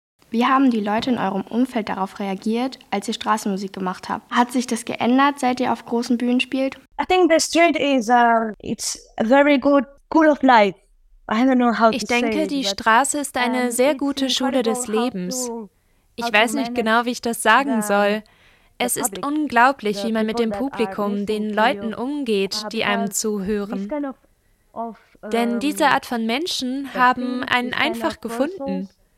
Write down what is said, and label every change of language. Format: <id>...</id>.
<de>Wie haben die Leute in eurem Umfeld darauf reagiert, als ihr Straßenmusik gemacht habt? Hat sich das geändert, seit ihr auf großen Bühnen spielt?</de> <en>I think the street is it's very good school of life. I don't know how to say.</en> <de>Ich denke, die Straße ist eine sehr gute Schule des Lebens. Ich weiß nicht genau, wie ich das sagen soll. Es ist unglaublich, wie man mit dem Publikum, den Leuten umgeht, die einem zuhören. Denn diese Art von Menschen haben einen einfach gefunden.</de>